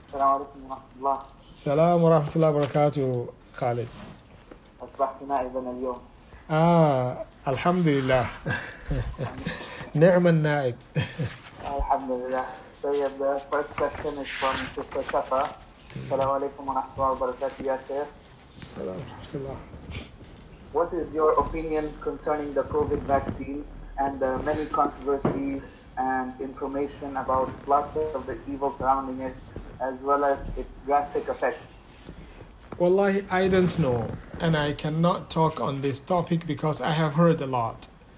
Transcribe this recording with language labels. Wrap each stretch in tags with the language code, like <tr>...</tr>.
<ar>Salaam wa rahmatullahi wa barakatuh, Khalid. أصبحت نائبا اليوم. آه الحمد لله. نعم النائب. الحمد لله.</ar> <en>طيب the first question is from Sister Safa.</en> <ar>السلام عليكم ورحمة الله وبركاته يا شيخ. السلام ورحمة الله.</ar> <en>What is your opinion concerning the COVID vaccines and the many controversies and information about lots of the evil surrounding it as well as its drastic effects? Wallahi, I don't know, and I cannot talk on this topic because I have heard a lot.</en>